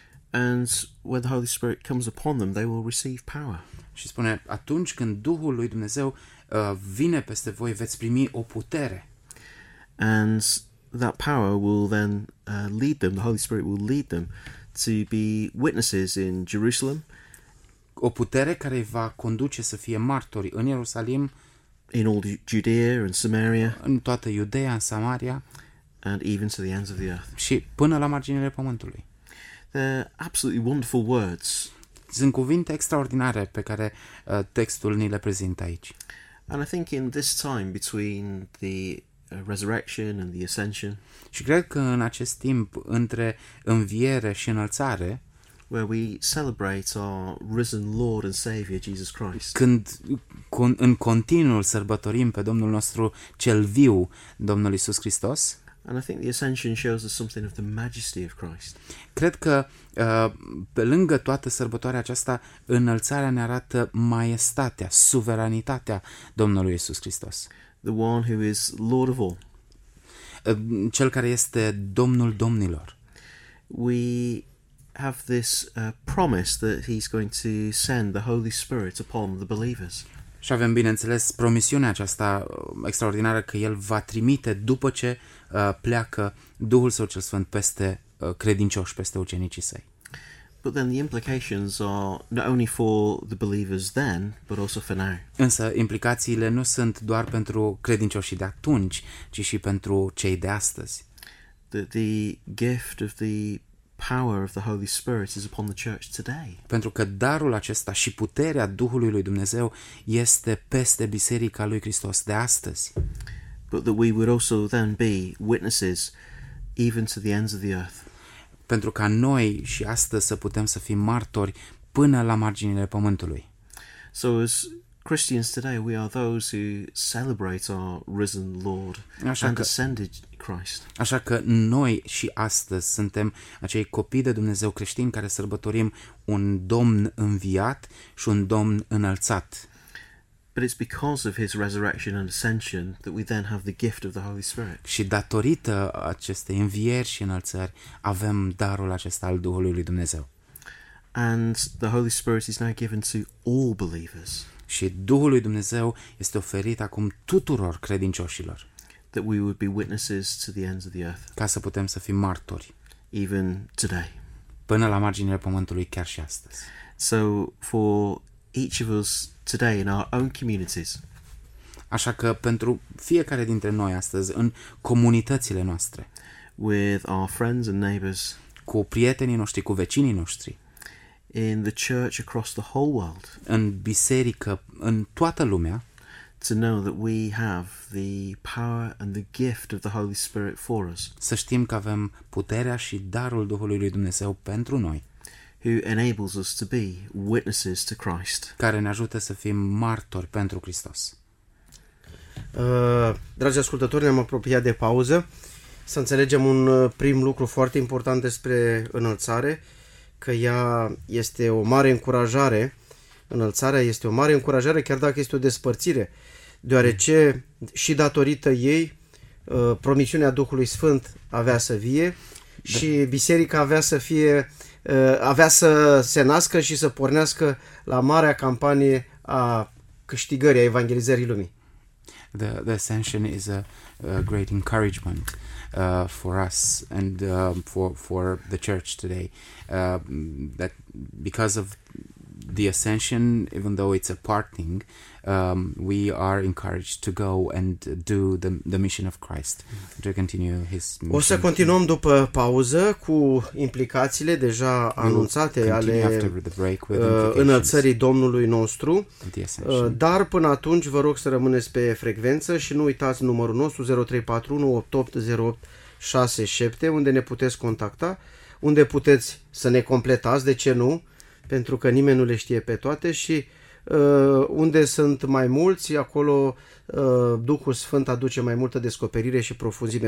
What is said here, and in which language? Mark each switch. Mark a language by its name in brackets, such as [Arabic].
[English] And when the Holy Spirit comes upon them, they will receive power. [Romanian] Și spune atunci când Duhul lui Dumnezeu vine peste voi, veți primi o putere. [English] And that power will then lead them, the Holy Spirit will lead them to be witnesses in Jerusalem. [Romanian] O putere care va conduce să fie martori în Ierusalim, [English] in all Judea and Samaria, [Romanian] în toată Iudeea, în Samaria, [English] and even to the ends of the earth. [Romanian] Și până la marginile pământului. [English] They're absolutely wonderful words. [Romanian] Sunt cuvinte extraordinare pe care textul ni le prezintă aici. [English] And I think in this time between the resurrection and the ascension, [Romanian] și cred că în acest timp între înviere și înălțare, [English] where we celebrate our risen Lord and Savior Jesus Christ. [Romanian] Când în continuu sărbătorim pe Domnul nostru cel viu, Domnul Iisus Hristos. [English] And I think the ascension shows us something of the majesty of Christ. [Romanian] Cred că pe lângă toată sărbătoarea aceasta, înălțarea ne arată maestatea, suveranitatea Domnului Iisus Hristos. [English] The one who is Lord of all. [Romanian] Cel care este Domnul domnilor. [English] We have this promise that he's going to send the Holy Spirit upon the believers. [Romanian] Și avem, bineînțeles, promisiunea aceasta extraordinară că el va trimite după ce pleacă Duhul Său cel Sfânt peste credincioși, peste ucenicii săi. [English] But then the implications are not only for the believers then, but also for now. [Romanian] Însă implicațiile nu sunt doar pentru credincioșii de atunci, ci și pentru cei de astăzi. [English] The gift of the power of the Holy Spirit is upon the church today. [Romanian] Pentru că darul acesta și puterea Duhului lui Dumnezeu este peste biserica lui Hristos de astăzi. [English] But that we would also then be witnesses even to the ends of the earth. [Romanian] Pentru ca noi și astăzi să putem să fim martori până la marginile pământului. [English] So as Christians today we are those who celebrate our risen Lord and ascended Christ. [Romanian] Așa că noi și astăzi suntem acei copii de Dumnezeu creștini care sărbătorim un Domn înviat și un Domn înălțat. [English] But it's because of his resurrection and ascension that we then have the gift of the Holy Spirit. [Romanian] Și datorită acestei învieri și înălțări avem darul acesta al Duhului lui Dumnezeu. [English] And the Holy Spirit is now given to all believers. [Romanian] Și Duhul lui Dumnezeu este oferit acum tuturor credincioșilor. [English] That we would be witnesses to the ends of the earth. [Romanian] Ca să putem să fim martori. [English] Even today. [Romanian] Până la marginile pământului chiar și astăzi. [English] So for each of us today in our own communities. [Romanian] Așa că pentru fiecare dintre noi astăzi în comunitățile noastre. [English] With our friends and neighbors. [Romanian] Cu prietenii noștri, cu vecinii noștri. [English] In the church across the whole world. [Romanian] În biserică, în toată lumea. [English] To know that we have the power and the gift of the Holy Spirit for us. [Romanian] Să știm că avem puterea și darul Duhului lui Dumnezeu pentru noi. [English] Who enables us to be witnesses to Christ. [Romanian] Care ne ajută să fim martori pentru Hristos. Dragi ascultători, ne-am apropiat de pauză. Să înțelegem un prim lucru foarte important despre înălțare, că ea este o mare încurajare. Înălțarea este o mare încurajare, chiar dacă este o despărțire. deoarece și datorită ei promisiunea Duhului Sfânt avea să vie și biserica avea să fie, avea să se nască și să pornească la marea campanie a câștigării, a evanghelizării lumii. [English] The ascension is a great encouragement for us and for the church today, that because of the ascension, even though it's a parting, we are encouraged to go and do the mission of Christ, to continue his mission. [Romanian] O să continuăm după pauză cu implicațiile deja anunțate ale înălțării Domnului nostru, dar până atunci vă rog să rămâneți pe frecvență și nu uitați numărul nostru 0341 880867, unde ne puteți contacta, unde puteți să ne completați, de ce nu, pentru că nimeni nu le știe pe toate, și unde sunt mai mulți, acolo Duhul Sfânt aduce mai multă descoperire și profunzime.